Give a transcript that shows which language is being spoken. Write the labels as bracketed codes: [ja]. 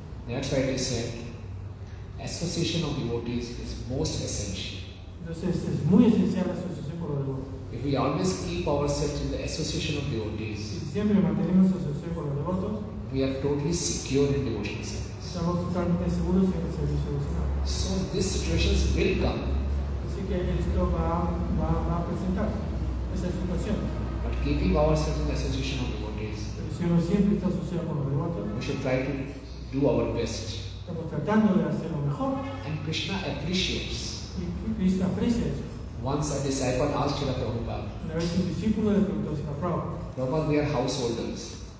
[en] That's why they said, association of devotees is most essential. [es] Entonces es muy esencial la asociación con los devotos. [en] If we always keep ourselves in the association of devotees, [es] si siempre mantenemos asociación con los devotos, [en] we are totally secure in devotional service. [es] Estamos totalmente seguros en el servicio devocional. [en] So these situations will come. [es] Así que esto va a presentar. [en] But keeping ourselves in the association of devotees, [es] si uno siempre está asociado con los devotos, [en] we should try to do our best. [es] Estamos tratando de hacer lo mejor. [en] And Krishna appreciates. Krishna appreciates. Once a disciple asked Srila Prabhupada. [es] Una vez un discípulo le preguntó a Srila Prabhupada. [en] Prabhupada, we are householders.